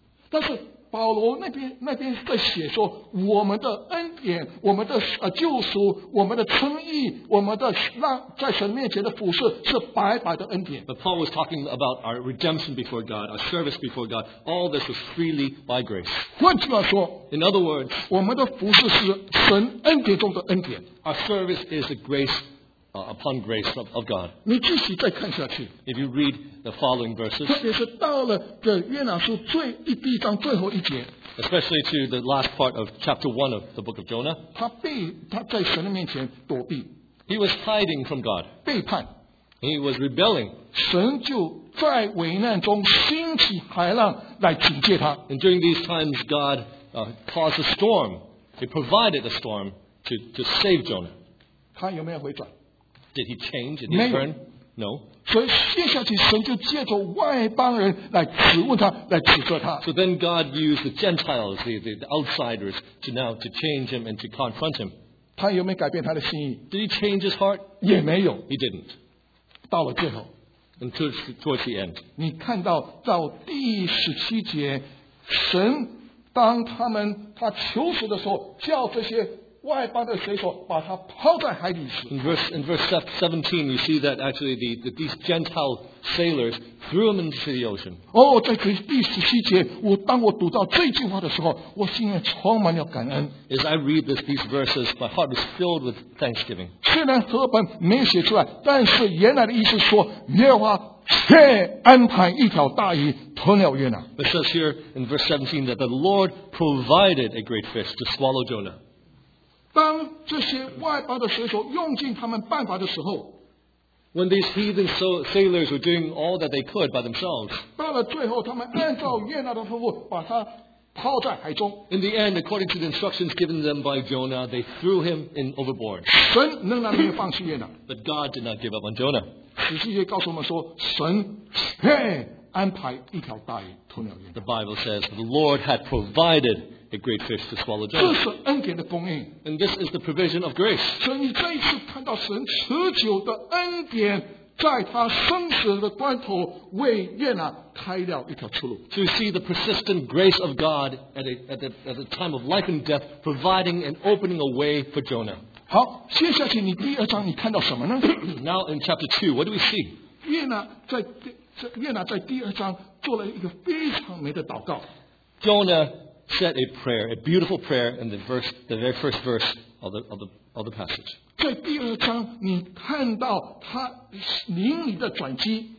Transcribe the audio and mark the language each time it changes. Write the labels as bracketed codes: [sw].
[zh] 但是保罗那边在写说, 我们的恩典, 我们的救赎, 我们的称义, 我们的在神面前的服事, 是白白的恩典。 [en] But Paul was talking about our redemption before God, our service before God. All this was freely by grace. [zh] 换句话说, [en] in other words, [zh] 我们的服事是神恩典中的恩典。 [en] Our service is the grace upon grace of God. [zh] 你继续再看下去。 [en] If you read the following verses, [zh] 特别是到了这约拿书最一第一章最后一节。 [en] Especially to the last part of chapter 1 of the book of Jonah. [zh] 他在神的面前躲避。 [en] He was hiding from God. [zh] 背叛。 [en] He was rebelling. [zh] 神就在危难中兴起海浪来警戒他。 [en] And during these times, God caused a storm. He provided a storm to save Jonah. [zh] 他有没有回转？ [en] Did he change? Did he turn? No. [zh] 所以接下去神就借着外邦人来质问他，来指责他。 [en] So then God used the Gentiles, the outsiders, to now to change him and to confront him. [zh] 他有没有改变他的心意？ [en] Did he change his heart? [zh] 也没有。 [en] He didn't. [zh] 到了最后。 [en] And towards the end. [zh] 你看到到第十七节，神当他求死的时候，叫这些外邦的水手把他抛在海底时。 [en] In verse 17, you see that actually these Gentile sailors threw him into the ocean. [zh] 在第十七节，当我读到这句话的时候，我心里充满了感恩。 [en] As I read these verses, my heart is filled with thanksgiving. [zh] 虽然和本没写出来，但是原来的意思说，耶和华却安排一条大鱼吞了约拿。 [en] It says here in verse 17 that the Lord provided a great fish to swallow Jonah. [zh] 当这些外邦的水手用尽他们办法的时候， [en] When these heathen sailors were doing all that they could by themselves, [zh] 到了最后，他们按照约拿的吩咐，把他抛在海中。 [en] In the end, according to the instructions given them by Jonah, they threw him in overboard. [zh] 神仍然没有放弃约拿。 [en] But God did not give up on Jonah. [zh] 使徒也告诉我们说，神却安排一条大鱼吞了约拿。 [en] The Bible says the Lord had provided. A great fish to swallow Jonah. [zh] 这是恩典的供应。 [en] And this is the provision of grace. [zh] 所以你这一次看到神持久的恩典，在他生死的关头为约拿开了一条出路。 [en] To see the persistent grace of God at the time of life and death, providing and opening a way for Jonah. [zh] 好，接下去你第二章你看到什么呢？ [en] Now in chapter 2, what do we see? [zh] 约拿在第二章做了一个非常美的祷告。 [en] Jonah. Said a prayer, a beautiful prayer in the very first verse of the passage. [zh] 在第二章，你看到他灵里的转机。